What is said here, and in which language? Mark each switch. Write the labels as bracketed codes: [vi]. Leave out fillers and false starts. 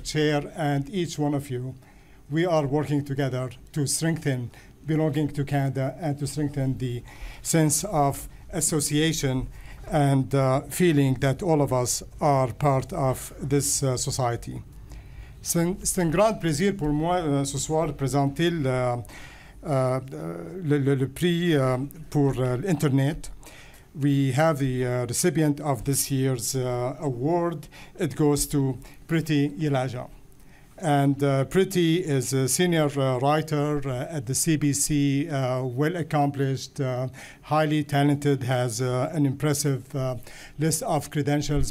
[en] Chair, and each one of you, we are working together to strengthen belonging to Canada and to strengthen the sense of association and feeling that all of us are part of this society. [fr] C'est un grand plaisir pour moi ce soir de présenter le prix pour l'Internet. [en] We have the recipient of this year's award. It goes to Priti Elijah. And Priti is a senior writer at the CBC, well-accomplished, highly talented, has an impressive list of credentials.